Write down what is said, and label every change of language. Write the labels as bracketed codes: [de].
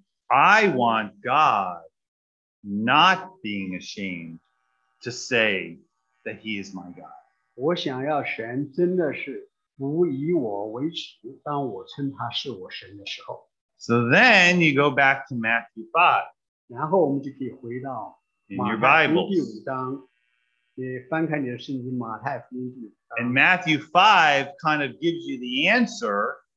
[en] I want God not being ashamed to say that he is my God. [zh] 我想要神真的是不以我为耻，当我称他是我神的时候。 [en] So then you go back to Matthew 5. [zh] 然后我们就可以回到马太福音第五章。你翻开你的圣经，马太福音第五章。 [en] And Matthew 5 kind of gives you the answer.